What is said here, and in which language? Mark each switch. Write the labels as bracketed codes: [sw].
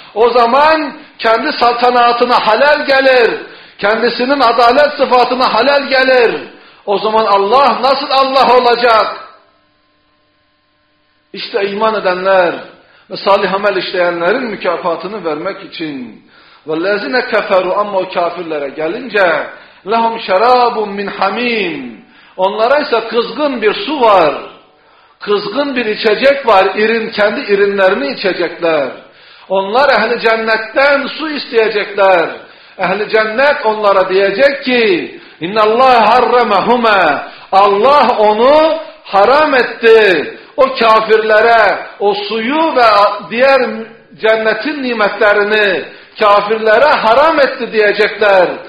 [tr] O zaman kendi saltanatına halel gelir. Kendisinin adalet sıfatına halel gelir. O zaman Allah nasıl Allah olacak? İşte iman edenler ve salih amel işleyenlerin mükafatını vermek için. [ar] وَالَّذِينَ كَفَرُوا [tr] اَمَّا كَافِرْلَرَ gelince [ar] لَهُمْ شَرَابٌ مِّنْ حَم۪ينَ [tr] Onlara ise kızgın bir su var. Kızgın bir içecek var. İrin, kendi irinlerini içecekler. Onlar ehli cennetten su isteyecekler. Ehli cennet onlara diyecek ki [ar] اِنَّ اللّٰهَ حَرَّمَهُمَا [tr] Allah onu haram etti. O kafirlere o suyu ve diğer cennetin nimetlerini kafirlere haram etti diyecekler.